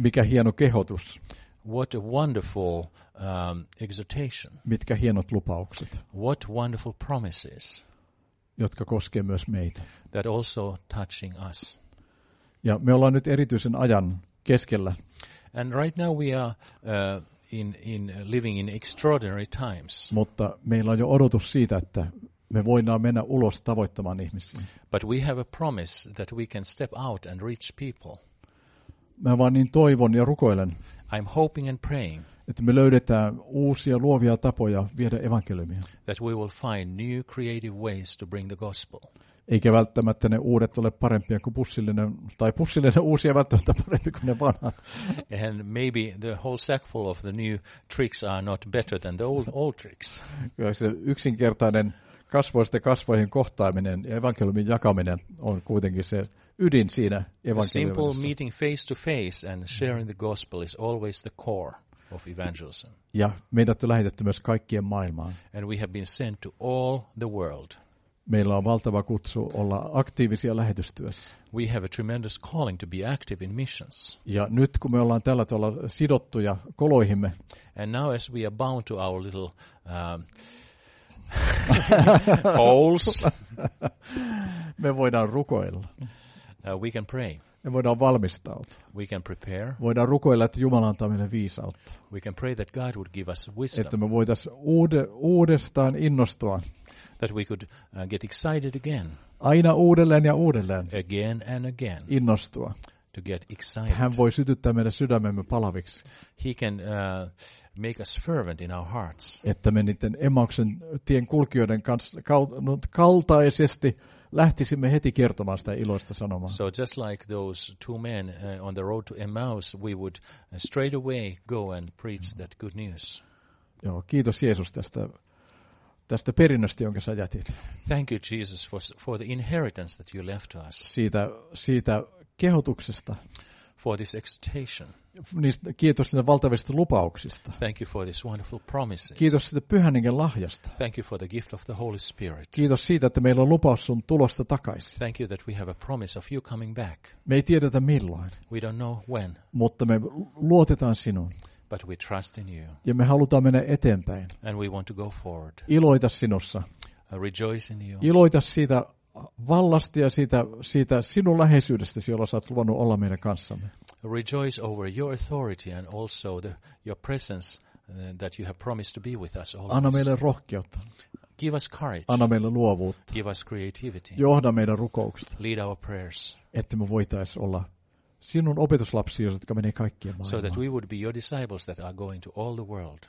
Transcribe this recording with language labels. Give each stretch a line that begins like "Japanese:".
Finnish: Mikä hieno kehotus.
English: What a wonderful exhortation.
Finnish: Mitkä hienot lupaukset.
English: What wonderful promises.
Finnish: Jotka koskee myös meitä.
English: That also touching us.
Finnish: Ja me ollaan nyt erityisen ajan keskellä.
English: And right now we are in living in extraordinary times.
Finnish: Mutta meillä on jo odotus siitä, että me voidaan mennä ulos tavoittamaan ihmisiä.
English: But we have a promise that we can step out and reach people.
Finnish: Mä vaan niin toivon ja rukoilen.
English: I'm hoping and praying.
Finnish: Että me löydetään uusia luovia tapoja viedä evankeliumia.
English: That we will find new creative ways to bring the gospel.
Finnish: Eikä välttämättä ne uudet ole parempia kuin pussillinen, tai pussillinen uusia välttämättä parempi kuin ne vanhat.
English: And maybe the whole sackful of the new tricks are not better than the old tricks.
Finnish: Kyllä se yksinkertainen kasvoista kasvoihin kohtaaminen ja evankeliumin jakaminen on kuitenkin se ydin siinä evankeliumissa.
English: The simple meeting face to face and sharing the gospel is always the core of evangelism.
Finnish: Ja meidät on lähetetty myös kaikkien maailmaan.
English: And we have been sent to all the world.
Finnish: Meillä on valtava kutsu olla aktiivisia lähetystyössä.
English: We have a tremendous calling to be active in missions.
Finnish: Ja nyt kun me ollaan tällä tavalla sidottuja koloihimme.
English: And now as we are bound to our little holes.
Finnish: Me voidaan rukoilla.
English: We can pray.
Finnish: Me voidaan valmistautua.
English: We can prepare.
Finnish: Voidaan rukoilla, että Jumala antaa meille viisautta.
English: We can pray that God would give us wisdom.
Finnish: Että me voitaisiin uudestaan innostua.
English: That we could get excited again.
Finnish: Aina uudelleen ja uudelleen.
English: Again and again.
Finnish: Innostua.
English: To get excited.
Finnish: Hän voi sytyttää meidän sydämemme palaviksi.
English: He can make us fervent in our hearts.
Finnish: Että me niiden Emmauksen tien kulkijoiden kaltaisesti lähtisimme heti kertomaan sitä iloista sanomaa.
English: So just like those two men on the road to Emmaus, we would straight away go and preach that good news.
Finnish: Joo, kiitos Jeesus tästä perinnöstä, jonka sä jätit.
English: Thank you Jesus for the inheritance that you left to us.
Finnish: Siitä kehotuksesta.
English: For this exhortation.
Finnish: Kiitos niistä valtavista lupauksista.
English: Thank you for these wonderful promises.
Finnish: Kiitos siitä Pyhän Hengen lahjasta.
English: Thank you for the gift of the Holy Spirit.
Finnish: Kiitos siitä, että meillä on lupaus sun tulosta takaisin.
English: Thank you that we have a promise of you coming back.
Finnish: Me ei tiedetä milloin.
English: We don't know when.
Finnish: Mutta me luotetaan sinuun.
English: But we trust in you.
Finnish: Ja me halutaan mennä eteenpäin.
English: And we want to go forward.
Finnish: Iloita sinussa.
English: Rejoice in you.
Finnish: Iloita siitä vallasta ja siitä sinun läheisyydestäsi, jolla sä oot luvannut olla meidän kanssamme.
English: Rejoice over your authority and also your presence that you have promised to be with us always.
Finnish: Anna meille rohkeutta.
English: Give us courage.
Finnish: Anna meille luovuutta.
English: Give us creativity.
Finnish: Johda meidän rukouksesta.
English: Lead our prayers.
Finnish: Että me voitais olla sinun opetuslapsia, jotka menee kaikkien maailmaan.
English: So that we would be your disciples that are going to all the world.